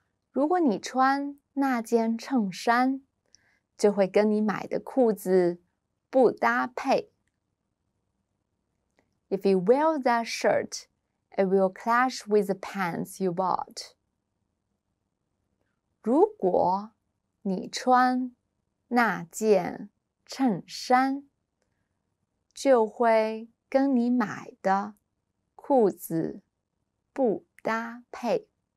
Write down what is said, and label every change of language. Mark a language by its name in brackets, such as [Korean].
[Chinese] 如果你穿那件衬衫就会跟你买的裤子不搭配。 [English] If you wear that shirt, it will clash with the pants you bought. [Chinese] 如果你穿那件衬衫，就会跟你买的裤子不搭配。